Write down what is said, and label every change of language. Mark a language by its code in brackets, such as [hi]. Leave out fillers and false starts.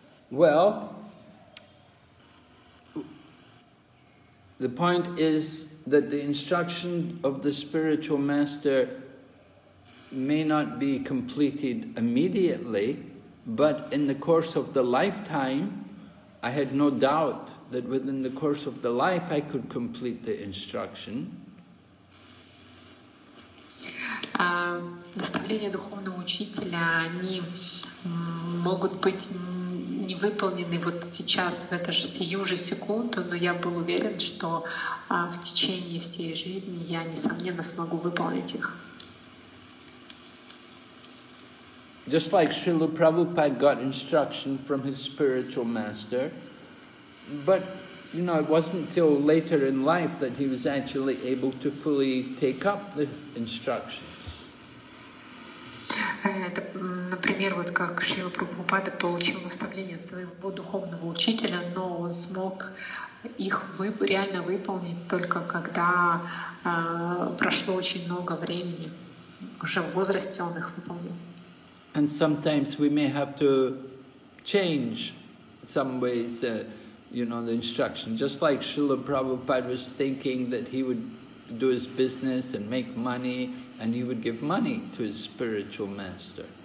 [en] Well, the point is that the instruction of the spiritual master may not be completed immediately, but in the course of the lifetime, I had no doubt that within the course of the life I could complete the instruction. [ru] Наставления духовного учителя, они могут быть не выполнены вот сейчас, в эту же сию же секунду, но я был уверен, что в течение всей жизни я, несомненно, смогу выполнить их. [en] Just like Srila Prabhupada got instruction from his spiritual master, but, you know, it wasn't till later in life that he was actually able to fully take up the instructions. [ru] Это, например, вот как Шрила Прабхупада получил наставление от своего духовного учителя, но он смог их реально выполнить только когда прошло очень много времени. Уже в возрасте он их выполнил. [en] And sometimes we may have to change some ways you know, the instruction. Just like Srila Prabhupada was thinking that he would do his business and make money and he would give money to his spiritual master.